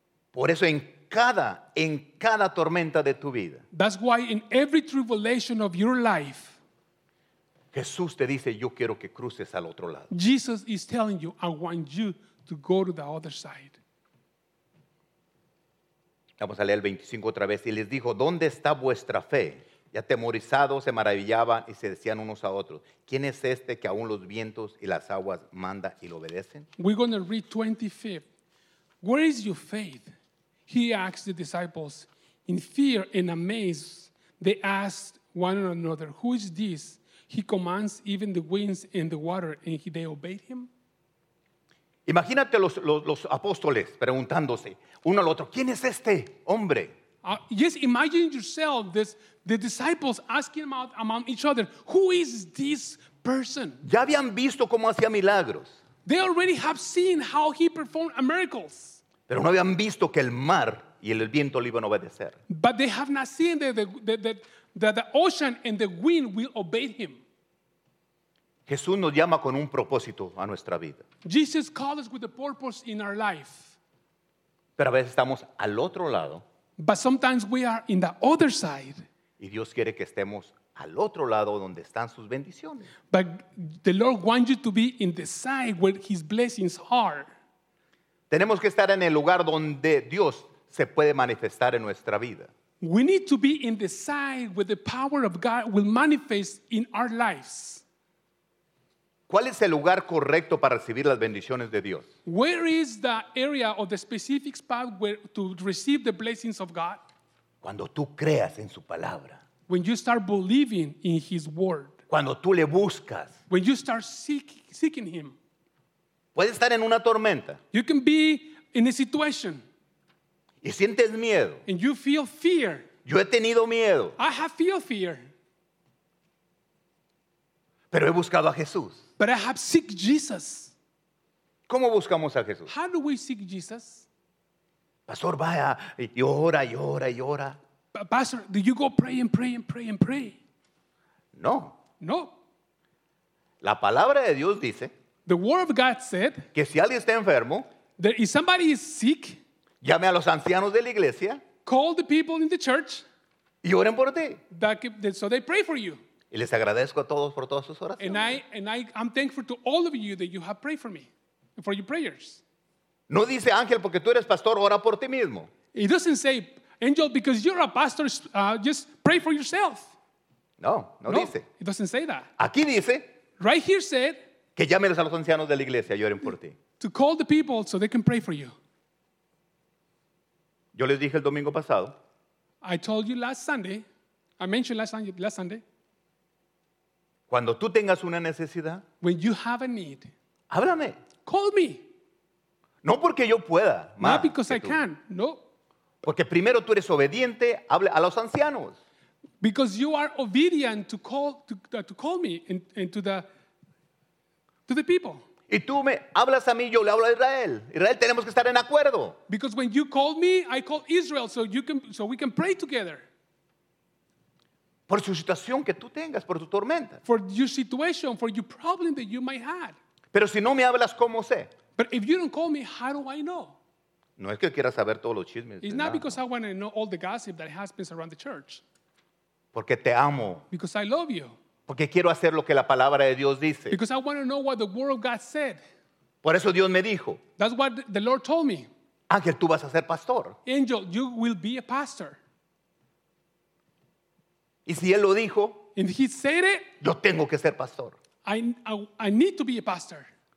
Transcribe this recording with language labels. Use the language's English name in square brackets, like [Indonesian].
[Spanish] Por eso en cada tormenta de tu vida, [English] that's why in every tribulation of your life, [Spanish] Jesús te dice, yo quiero que cruces al otro lado. [English] Jesus is telling you, I want you to go to the other side. [Spanish] Vamos a leer el 25 otra vez. Y les dijo, ¿dónde está vuestra fe? Y atemorizados se maravillaban y se decían unos a otros, ¿quién es este que aún los vientos y las aguas manda y lo obedecen? [English] We're going to read 25. Where is your faith? He asked the disciples. In fear and amaze, they asked one another, who is this? He commands even the winds and the water, and they obeyed him. [Spanish] Imagínate los apóstoles preguntándose uno al otro, ¿quién es este hombre? [English] Just imagine yourself this, the disciples asking about among each other, who is this person? [Spanish] Ya habían visto cómo hacía milagros. [English] They already have seen how he performed miracles. [Spanish] Pero no habían visto que el mar y el viento le iban a obedecer. [English] But they have not seen that the ocean and the wind will obey him. [Spanish] Jesús nos llama con un propósito a nuestra vida. [English] Jesus calls us with a purpose in our life. [Spanish] Pero a veces estamos al otro lado. [English] But sometimes we are in the other side. [Spanish] Y Dios quiere que estemos al otro lado donde están sus bendiciones. [English] But the Lord wants you to be in the side where his blessings are. [Spanish] Tenemos que estar en el lugar donde Dios se puede manifestar en nuestra vida. [English] We need to be in the side where the power of God will manifest in our lives. [Spanish] ¿Cuál es el lugar correcto para recibir las bendiciones de Dios? [English] Where is the area or the specific spot where to receive the blessings of God? [Spanish] Cuando tú creas en su palabra. [English] When you start believing in his word. [Spanish] Cuando tú le buscas. [English] When you start seeking him. [Spanish] Puedes estar en una tormenta. [English] You can be in a situation. [Spanish] Y sientes miedo. [English] And you feel fear. [Spanish] Yo he tenido miedo. [English] I have feel fear. [Spanish] Pero he buscado a Jesús. [English] But I have seek Jesus. [Spanish] ¿Cómo buscamos a Jesús? [English] How do we seek Jesus? [Spanish] Pastor, vaya y ora y ora y ora. [English] Pastor, do you go pray and pray and pray and pray? [Spanish] No. [English] No. [Spanish] La palabra de Dios dice. [English] The word of God said. [Spanish] Que si alguien está enfermo. [English] That if somebody is sick. [Spanish] Llame a los ancianos de la iglesia. [English] Call the people in the church. [Spanish] Y oren por ti. [English] That so they pray for you. [Spanish] Y les agradezco a todos por todas sus oraciones. [English] And I'm thankful to all of you that you have prayed for me, for your prayers. [Spanish] No dice ángel porque tú eres pastor, ora por ti mismo. [English] It doesn't say angel because you're a pastor, just pray for yourself. [Spanish] No, dice. [English] It doesn't say that. [Spanish] Aquí dice. [English] Right here said. [Spanish] Que llámenos a los ancianos de la iglesia y oren por ti. [English] To call the people so they can pray for you. [Spanish] Yo les dije el domingo pasado. [English] I told you last Sunday. I mentioned last Sunday. [Spanish] Cuando tú tengas una necesidad. [English] When you have a need. [Spanish] Háblame. [English] Call me. [Spanish] No porque yo pueda. [English] Not because I can. No. [Spanish] Porque primero tú eres obediente. Habla a los ancianos. [English] Because you are obedient to call me and to the people. [Spanish] Y tú me hablas a mí, yo le hablo a Israel. Israel, tenemos que estar en acuerdo. [English] Because when you call me, I call Israel, so we can pray together. [Spanish] Por su situación que tú tengas, por tu tormenta. [English] For your situation, for your problem that you might have. [Spanish] Pero si no me hablas, ¿cómo sé? [English] But if you don't call me, how do I know? [Spanish] No es que quiera saber todos los chismes. [English] It's not because I want to know all the gossip that happens around the church. [Spanish] Porque te amo. [English] Because I love you. [Spanish] Porque quiero hacer lo que la palabra de Dios dice. [English] Because I want to know what the word of God said. [Spanish] Por eso Dios me dijo. [English] That's what the Lord told me. [Spanish] Ángel, tú vas a ser pastor. [English] Angel, you will be a pastor. [Spanish] Y si él lo dijo. [English] And he said it. [Spanish] Yo tengo que ser pastor. [English] I need to be a pastor.